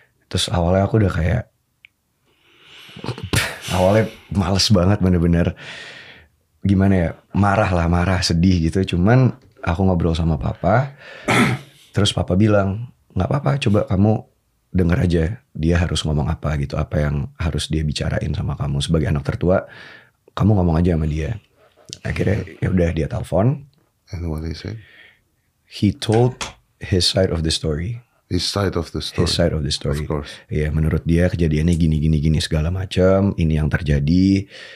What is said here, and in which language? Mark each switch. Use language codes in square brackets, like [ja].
[id] Terus awalnya aku udah kayak awalnya males banget, bener-bener gimana ya, marah lah, marah, sedih gitu. Cuman aku ngobrol sama papa. Terus papa bilang, "Gak apa-apa, coba kamu denger aja dia harus ngomong apa gitu, apa yang harus dia bicarain sama kamu sebagai anak tertua, kamu ngomong aja sama dia." Akhirnya ya udah dia telepon. [en] And what did he say? He told his side of the story. His side of the story. His side of the story. Of course. [id] Iya, menurut dia kejadiannya gini segala macam, ini yang terjadi.